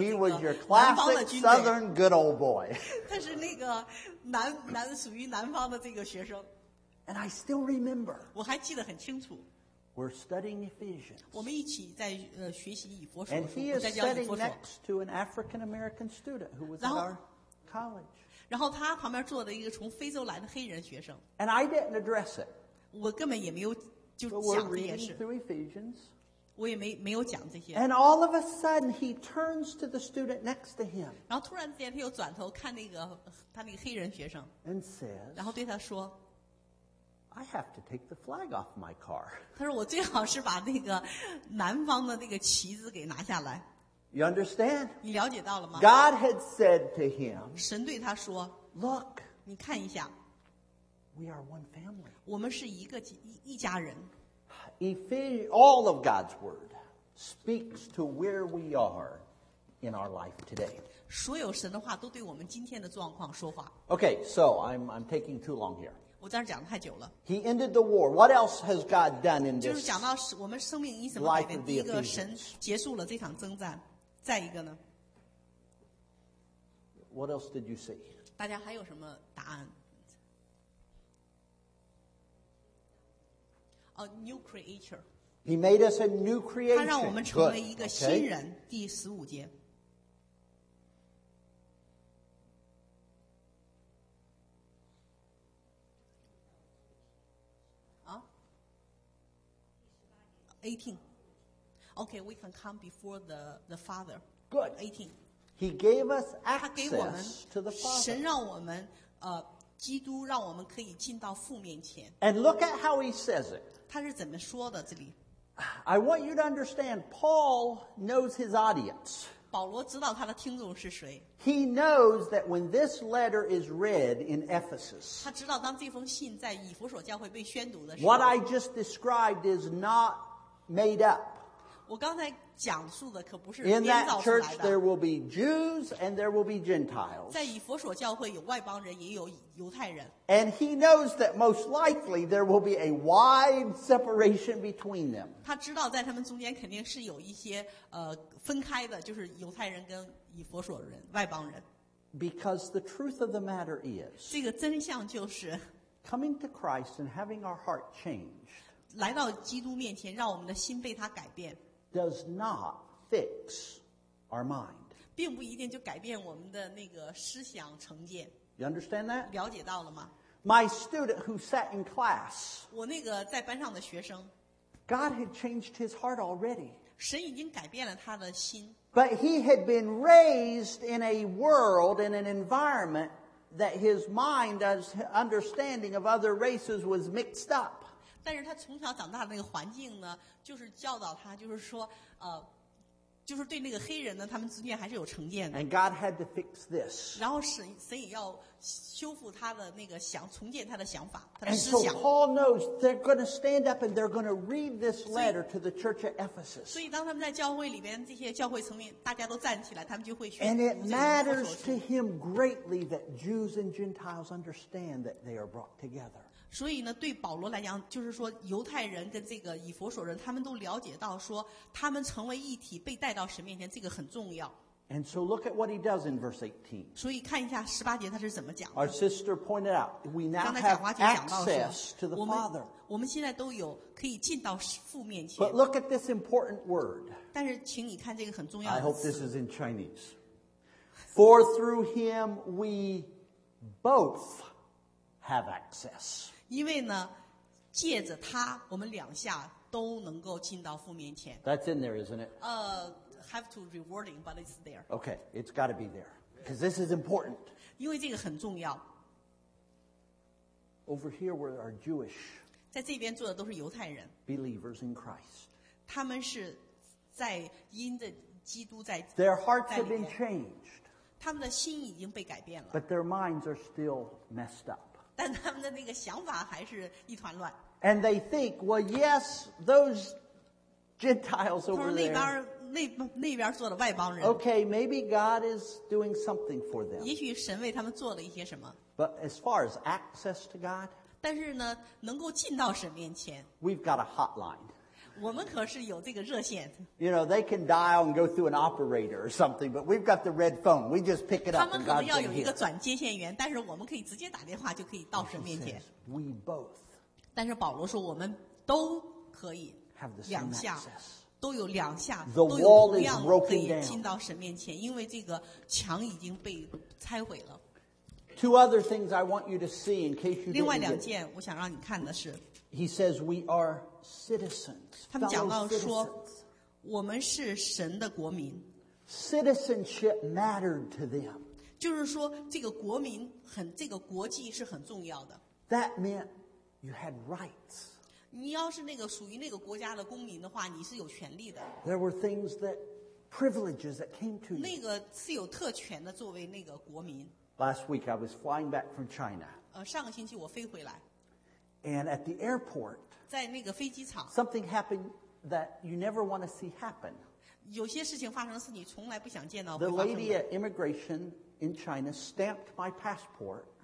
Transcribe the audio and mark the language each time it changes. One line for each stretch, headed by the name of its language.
English: He was your classic southern good old boy.
Chinese: 他是那个属于南方的这个学生。
English: And I still remember.
Chinese: 我还记得很清楚。
English: We're studying Ephesians.
Chinese: 我们一起在学习以弗所书。
English: And he is sitting next to an African American student who was at our college.
Chinese: 然后他旁边坐的一个从非洲来的黑人学生。
English: And I didn't address it.
Chinese: 我根本也没有
English: But we're reading through Ephesians.
Chinese: 我也没有讲这些。
English: And all of a sudden, he turns to the student next to him.
Chinese: 然后突然间，他又转头看他那个黑人学生。
English: And says,
Chinese: 然后对他说
English: ，I have to take the flag off my car.
Chinese: 他说我最好是把那个南方的那个旗子给拿下来。
English: You understand?
Chinese: 你了解到了吗
English: ？God had said to him.
Chinese: 神对他说
English: ，Look.
Chinese: 你看一下。
English: We are one family.
Chinese: 我们是一家人。
English: All of God's word speaks to where we are in our life today.
Chinese: 所有神的话都对我们今天的状况说话。
English: Okay, so I'm taking too long here.
Chinese: 我在这讲太久了。
English: He ended the war. What else has God done in this?
Chinese: 就是讲到我们生命因什么改变？第一个，神结束了这场征战。再一个呢
English: ？What else did you see?
Chinese: 大家还有什么答案？
English: A new creature. He made us a new creation.
Chinese: 他让我们成为一个新人。第十五节。
English: 18. Okay, we can come before the Father. Good. 18. He gave us access to the Father.
Chinese: 神让我们基督让我们可以进到父面前。
English: And look at how he says it.
Chinese: 他是怎么说的这里。
English: I want you to understand, Paul knows his audience.
Chinese: 保罗知道他的听众是谁。
English: He knows that when this letter is read in Ephesus,
Chinese: 他知道当这封信在以弗所教会被宣读的时候。
English: What I just described is not made up.
Chinese: 我刚才讲述的可不是编造出来的。
English: In that church, there will be Jews and there will be Gentiles.
Chinese: 在以弗所教会有外邦人，也有犹太人。
English: And he knows that most likely there will be a wide separation between them.
Chinese: 他知道在他们中间肯定是有一些分开的，就是犹太人跟以弗所人外邦人。
English: Because the truth of the matter is,
Chinese: 这个真相就是
English: coming to Christ and having our heart changed.
Chinese: 来到基督面前，让我们的心被他改变。
English: Does not fix our mind.
Chinese: 并不一定就改变我们的那个思想成见。
English: You understand that?
Chinese: 了解到了吗
English: ？My student who sat in class.
Chinese: 我那个在班上的学生。
English: God had changed his heart already.
Chinese: 神已经改变了他的心。
English: But he had been raised in a world in an environment that his mind as understanding of other races was mixed up.
Chinese: 但是他从小长大的那个环境呢，就是教导他，就是说，就是对那个黑人呢，他们之间还是有成见的。
English: And God had to fix this.
Chinese: 然后神也要修复他的那个想重建他的想法，他的思想。
English: And so Paul knows they're going to stand up and they're going to read this letter to the church at Ephesus.
Chinese: 所以当他们在教会里边，这些教会层面大家都站起来，他们就会学。
English: And it matters to him greatly that Jews and Gentiles understand that they are brought together.
Chinese: 所以呢，对保罗来讲，就是说犹太人跟这个以弗所人，他们都了解到说，他们成为一体，被带到神面前，这个很重要。
English: And so look at what he does in verse 18.
Chinese: 所以看一下十八节他是怎么讲的。
English: Our sister pointed out we now have access to the Father.
Chinese: 我们现在都有可以进到父面前。
English: But look at this important word.
Chinese: 但是请你看这个很重要的词。
English: I hope this is in Chinese. For through him we both have access.
Chinese: 因为呢，借着他，我们两下都能够进到父面前。
English: That's in there, isn't it? Have to rewarding, but it's there. Okay, it's got to be there because this is important.
Chinese: 因为这个很重要。
English: Over here, we are Jewish.
Chinese: 在这边坐的都是犹太人。
English: Believers in Christ.
Chinese: 他们是在因着基督在。
English: Their hearts have been changed.
Chinese: 他们的心已经被改变了。
English: But their minds are still messed up.
Chinese: 但他们的那个想法还是一团乱。
English: And they think, well, yes, those Gentiles over there.
Chinese: 他说那边坐的外邦人。
English: Okay, maybe God is doing something for them.
Chinese: 也许神为他们做了一些什么。
English: But as far as access to God,
Chinese: 但是呢，能够进到神面前。
English: We've got a hotline.
Chinese: 我们可是有这个热线。
English: You know, they can dial and go through an operator or something, but we've got the red phone. We just pick it up and God's here.
Chinese: 他们可能要有一个转接线员，但是我们可以直接打电话就可以到神面前。
English: We both.
Chinese: 但是保罗说我们都可以两下都有两下都有同样可以进到神面前，因为这个墙已经被拆毁了。
English: Two other things I want you to see in case you didn't.
Chinese: 另外两件我想让你看的是。
English: He says we are citizens.
Chinese: 他们讲到说，我们是神的国民。
English: Citizenship mattered to them.
Chinese: 就是说，这个国民很，这个国际是很重要的。
English: That meant you had rights.
Chinese: 你要是那个属于那个国家的公民的话，你是有权利的。
English: There were things that privileges that came to you.
Chinese: 那个是有特权的，作为那个国民。
English: Last week I was flying back from China.
Chinese: 上个星期我飞回来。
English: And at the airport,
Chinese: 在那个飞机场
English: something happened that you never want to see happen.
Chinese: 有些事情发生是你从来不想见到。
English: The lady at immigration in China stamped my passport.